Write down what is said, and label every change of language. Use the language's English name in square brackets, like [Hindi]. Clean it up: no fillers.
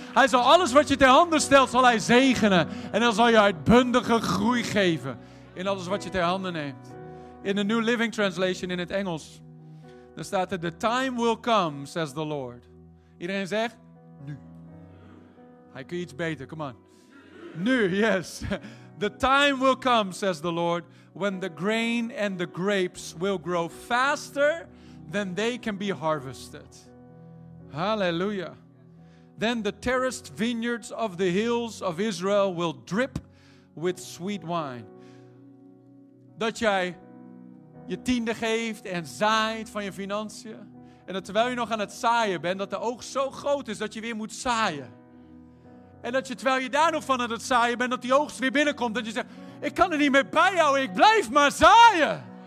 [Dutch] Hij zal alles wat je ter handen stelt, zal hij zegenen. En dan zal je uitbundige groei geven. In alles wat je ter handen neemt. In de New Living Translation in het Engels. Dan staat er, [English] the time will come, says the Lord. [Dutch] Iedereen zegt, nu. Hij kan iets beter, [English] come on. [Dutch] Nu, [English] yes. The time will come, says the Lord, when the grain and the grapes will grow faster than they can be harvested. Hallelujah. Then the terraced vineyards of the hills of Israel will drip with sweet wine. [Dutch] Dat jij je tiende geeft en zaait van je financiën. En dat terwijl je nog aan het zaaien bent, dat de oogst zo groot is dat je weer moet zaaien. En dat je terwijl je daar nog van aan het zaaien bent, dat die oogst weer binnenkomt. Dat je zegt, ik kan er niet meer bij houden, ik blijf maar zaaien.